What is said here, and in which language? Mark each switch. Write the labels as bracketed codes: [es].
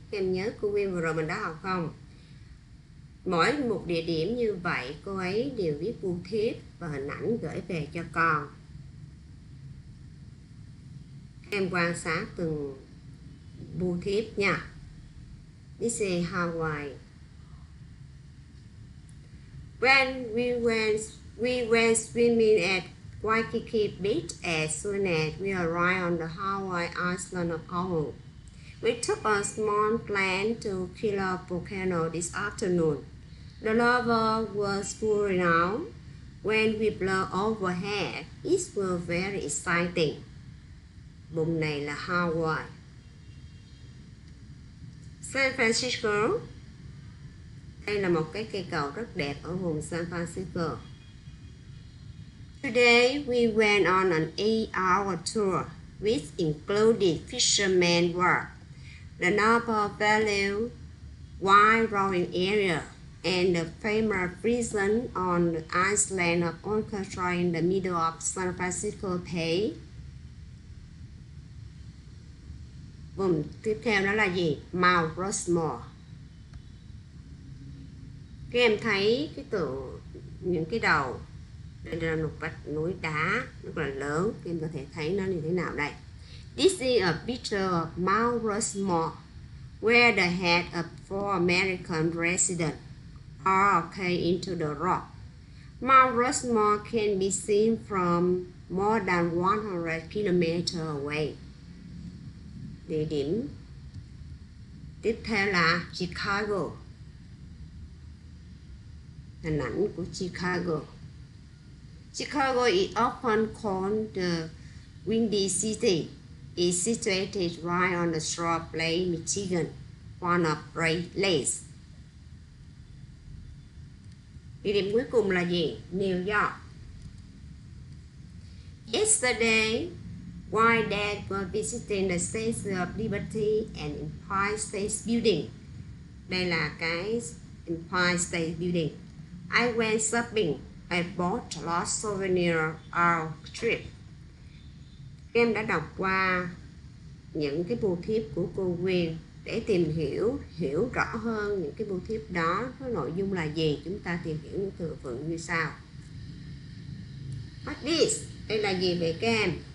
[vi] Em nhớ cô Nguyên vừa rồi mình đã học không? Mỗi một địa điểm như vậy, cô ấy đều viết phù thiếp và hình ảnh gửi về cho con. Em quan sát từng phù thiếp nha. [en] This is Hawaii. When we went swimming at Waikiki Beach as soon as we arrived on the Hawaii island of Oahu. We took a small plane to Kila Volcano this afternoon. The lava was pouring out when we blew overhead. It was very exciting. [vi] Vùng này là Hawaii. [en] San Francisco. [vi] Đây là một cái cây cầu rất đẹp ở vùng San Francisco. [en] Today we went on an 8-hour tour, which included fisherman work, the Napa Valley wine growing area, and the famous prison on the island of Alcatraz in the middle of San Francisco Bay. [vi] Vùng tiếp theo đó là gì? Mount Rushmore. Các em thấy cái tự những cái đầu. Đây là một vách núi đá rất là lớn. Các em có thể thấy nó như thế nào đây. [en] This is a picture of Mount Rushmore, where the head of four American presidents are carved into the rock. Mount Rushmore can be seen from more than 100 km away. [vi] Địa điểm tiếp theo là Chicago. Hình ảnh của Chicago. [en] Chicago is often called the Windy City. It is situated right on the shore of Lake Michigan, one of Great Lakes. [vi] Địa điểm cuối cùng là gì? New York. [en] Yesterday, while Dad was visiting the Statue of Liberty and Empire State Building, [vi] đây là cái Empire State Building, [en] I went shopping. I bought a lot of souvenirs our trip. [vi] Em đã đọc qua những cái bưu thiếp của cô Nguyên để tìm hiểu, hiểu rõ hơn những cái bưu thiếp đó có nội dung là gì. Chúng ta tìm hiểu những từ vựng như sau. [en] What this? [vi] Đây là gì vậy các em?